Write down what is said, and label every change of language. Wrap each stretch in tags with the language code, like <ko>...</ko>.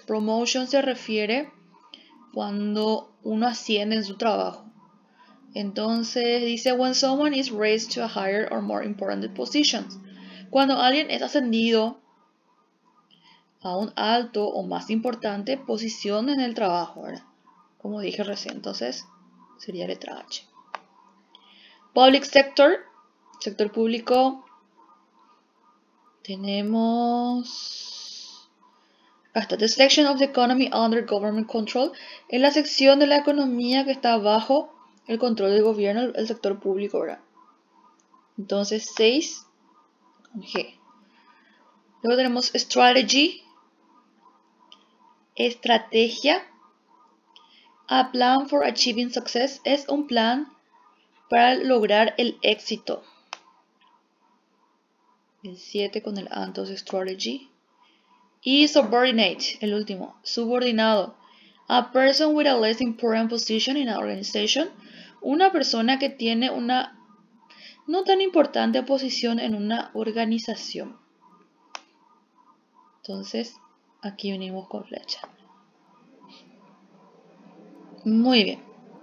<es>Promotion se refiere cuando uno asciende en su trabajo. Entonces dice,</es> <en>when someone is raised to a higher or more important position.</en> <es>Cuando alguien es ascendido a un alto o más importante posición en el trabajo, ¿verdad? Como dije recién, entonces sería letra H.</es> <en>Public sector,</en> <es>sector público. Tenemos hasta</es> <en>the section of the economy under government control.</en> <es>Es la sección de la economía que está bajo el control del gobierno, el sector público, ¿verdad? Entonces, 6 con G. Luego tenemos strategy. Estrategia.</es> <en>A plan for achieving success.</en> <es>Es un plan para lograr el éxito. El 7 con el A, entonces strategy. Y subordinate, el último, subordinado.</es> <en>A person with a less important position in an organization.</en> <es>Una persona que tiene una no tan importante posición en una organización. Entonces, aquí venimos con flecha. Muy bien.</es>